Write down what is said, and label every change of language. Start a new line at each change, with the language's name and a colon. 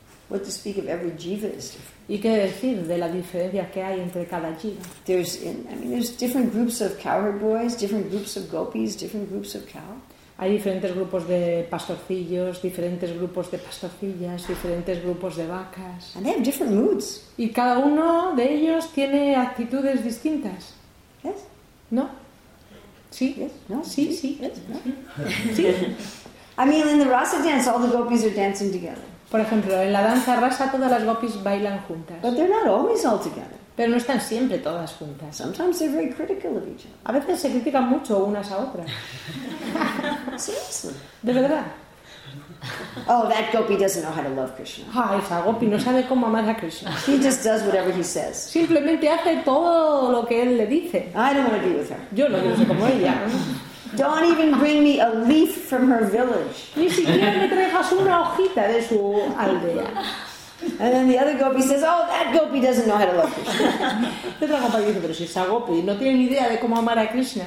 English: What to speak of every jiva is different.
Spanish: ¿Y qué decir de la diferencia que hay entre cada jiva?
English: There's different groups of cowherd boys, different groups of gopis, different groups of cow.
Spanish: Hay diferentes grupos de pastorcillos, diferentes grupos de pastorcillas, diferentes grupos de vacas.
English: And they have different moods.
Spanish: Y cada uno de ellos tiene actitudes distintas.
English: Yes.
Spanish: No. Sí.
English: Yes. No.
Spanish: Sí.
English: Yes.
Spanish: Sí.
English: Yes.
Spanish: No. Sí.
English: I mean, in the Rasa dance, all the gopis are dancing together.
Spanish: Por ejemplo, en la danza rasa todas las gopis bailan juntas.
English: But they're not always all together.
Spanish: Pero no están siempre todas juntas.
English: Sometimes they're very critical of each other.
Spanish: A veces se critican mucho unas a otras.
English: Seriously.
Spanish: De verdad.
English: Oh, that gopi doesn't know how to love Krishna.
Spanish: Ah, esa gopi no sabe cómo amar a Krishna.
English: She just does whatever he says.
Spanish: Simplemente hace todo lo que él le dice.
English: I don't want to be with her.
Spanish: Yo no quiero ser como ella.
English: Don't even bring me a leaf from her village.
Spanish: Ni siquiera me traigas una hojita de su aldea.
English: And then the other gopi says, "Oh, that gopi doesn't know how to love Krishna."
Spanish: La otra gopi dice, "Pero si esa gopi no tiene ni idea de cómo amar a Krishna."